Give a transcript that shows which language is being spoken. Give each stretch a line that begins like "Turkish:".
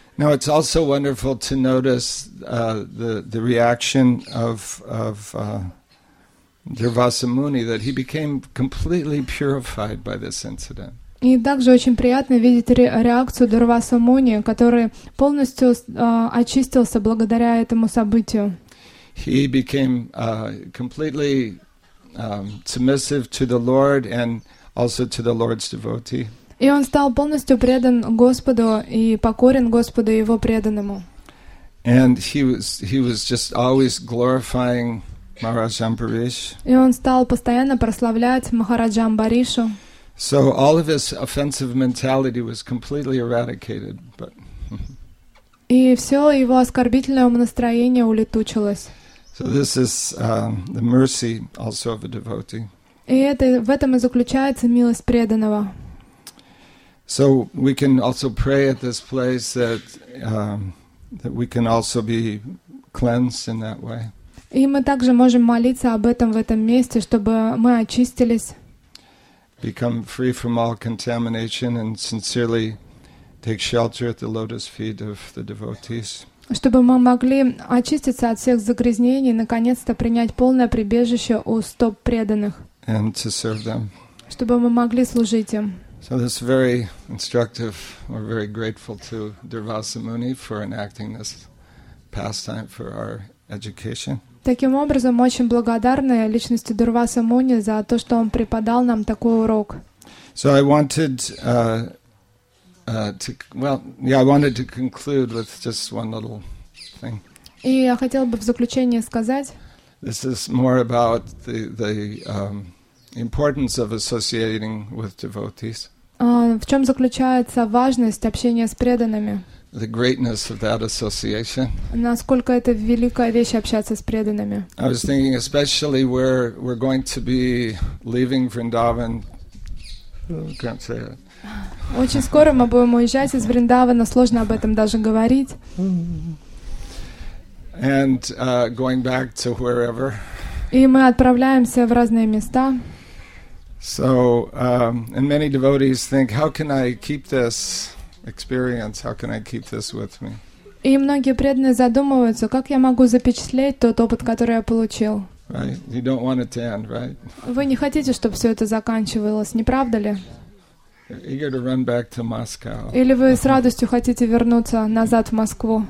English: Now it's also wonderful to notice the reaction of Дюрвасамуни, that he became completely purified by this incident.
Russian: И также очень приятно видеть реакцию Дюрвасамуни, который полностью очистился благодаря этому событию.
English: He became completely submissive to the Lord and also to the Lord's devotee.
Russian: И он стал полностью предан Господу и покорен Господу и его преданному.
English: And he was just always glorifying Maharaj Ambarish.
Russian: И он стал постоянно прославлять Махараджа Амбаришу.
English: So all of his offensive mentality was completely eradicated. But
Russian: и все его оскорбительное настроение улетучилось.
English: So this is the mercy also of a devotee.
Russian: И это в этом и заключается милость преданного.
English: So we can also pray at this place that that we can also be cleansed in that way.
Russian: И мы также можем молиться об этом в этом месте, чтобы мы очистились.
English: Become free from all contamination and sincerely take shelter at the lotus feet of the devotees.
Russian: Чтобы мы могли очиститься от всех загрязнений и наконец-то принять полное прибежище у стоп преданных.
English: And to serve them.
Russian: Чтобы мы могли служить им.
English: So this is very instructive. We're very grateful to Дюрвасамуни for enacting this pastime for our education.
Russian: Таким образом, очень благодарны личности Дюрвасамуни за то, что он преподал нам такой урок.
English: So I wanted to conclude with just one little thing.
Russian: И я хотела бы в заключение сказать.
English: This is more about the importance of associating with devotees.
Russian: В чем заключается важность общения с преданными?
English: The greatness of that association.
Russian: Насколько это великая вещь общаться с преданными?
English: I was thinking, especially where we're going to be leaving Vrindavan. Can't say it.
Russian: Очень скоро мы будем уезжать из Вриндавана, сложно об этом даже говорить.
English: And going back to wherever.
Russian: И мы отправляемся в разные места.
English: So, and many devotees think, how can I keep this experience? How can I keep this with me?
Russian: И многие преданные задумываются, как я могу запечатлеть тот опыт, который я получил.
English: Right? You don't want it to end, right?
Russian: Вы не хотите, чтобы все это заканчивалось, не правда ли?
English: Eager to run back to Moscow.
Russian: Или вы с радостью хотите вернуться назад в Москву?